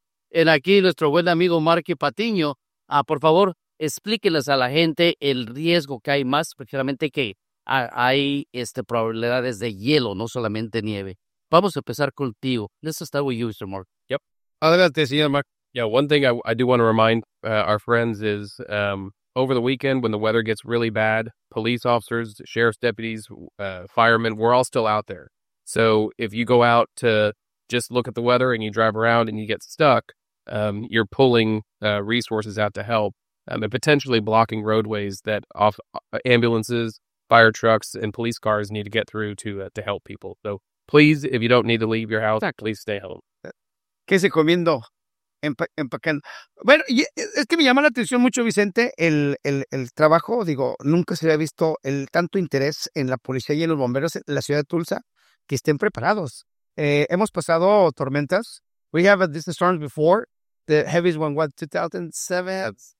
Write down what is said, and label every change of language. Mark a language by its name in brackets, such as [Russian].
[Spanish] En aquí nuestro buen amigo Marky Patiño, por favor, explíqueles a la gente el riesgo que hay más, especialmente que hay probabilidades de hielo, no solamente nieve. Vamos a empezar contigo. Let's start with you, Mr. Mark. [English] Yep. [Spanish] Adelante, señor Mark. [English] Yeah, one thing I do want to remind our friends is over the weekend when the weather gets really bad, police officers, sheriff's deputies, firemen, we're all still out there. So if you go out to just look at the weather and you drive around and you get stuck, you're pulling resources out to help. and potentially blocking roadways that off ambulances, fire trucks, and police cars need to get through to help people. So please, if you don't need to leave your house, please stay home. [Spanish] ¿Qué se comiendo? Empacando. Bueno, es que me llama la atención mucho, Vicente, el trabajo. Digo, nunca se había visto el tanto interés en la policía y en los bomberos en la ciudad de Tulsa que estén preparados. Hemos pasado tormentas. [English] We have these storms before. The heaviest one was 2007.